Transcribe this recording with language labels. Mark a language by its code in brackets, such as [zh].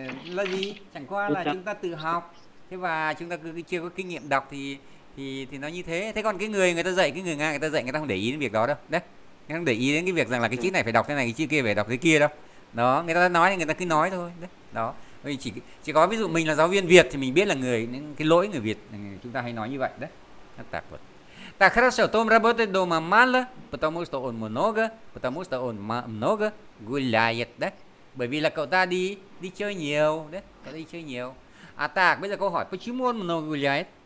[vi] Là gì chẳng qua là chúng ta tự học thế và chúng ta cứ chưa có kinh nghiệm đọc thì nó như thế. Thế còn cái người người ta dạy, cái người Nga người ta dạy, người ta không để ý đến việc đó đâu đấy, người ta không để ý đến cái việc rằng là cái chữ này phải đọc thế này, cái chữ kia phải đọc thế kia đâu. Đó, người ta nói thì người ta cứ nói thôi đấy. Đó, mình chỉ có ví dụ mình là giáo viên Việt thì mình biết là người những cái lỗi người Việt chúng ta hay nói như vậy đấy. Nó tạc vật. [ru] Так хорошо, Том работает дома мало, потому что он много, потому что он много гуляет, да? [vi] Bởi vì là cậu ta đi đi chơi nhiều, đấy, cậu đi chơi nhiều. À tạ, bây giờ câu hỏi, [ru] почему он много гуляет?